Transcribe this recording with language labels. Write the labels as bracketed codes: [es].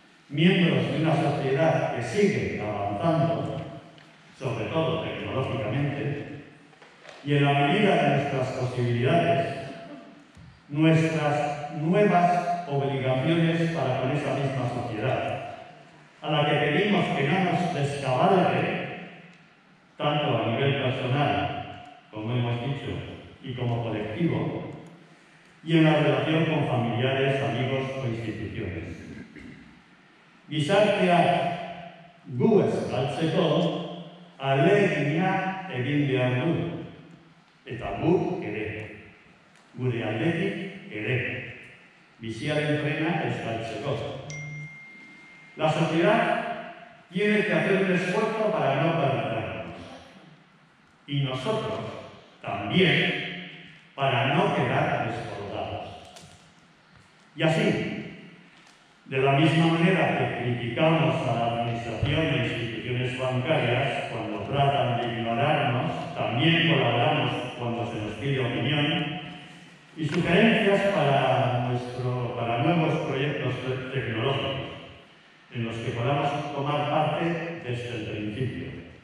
[es] miembros de una sociedad que sigue avanzando, sobre todo tecnológicamente, y en la medida de nuestras posibilidades, nuestras nuevas obligaciones para con esa misma sociedad, a la que pedimos que no nos descabalgue, tanto a nivel personal, como hemos dicho, y como colectivo, y en la relación con familiares, amigos o instituciones. [eu] Gizarteak gu eskaltzeko alegina egin behar du, eta gu ere, gure aldetik ere, biziaren trena eskaltzeko. [es] La sociedad tiene que hacer un esfuerzo para no perdernos. Y nosotros también para no quedar desbordados. Y así, de la misma manera que criticamos a la administración e instituciones bancarias cuando tratan de ignorarnos, también colaboramos cuando se nos pide opinión y sugerencias para nuevos proyectos tecnológicos en los que podamos tomar parte desde el principio.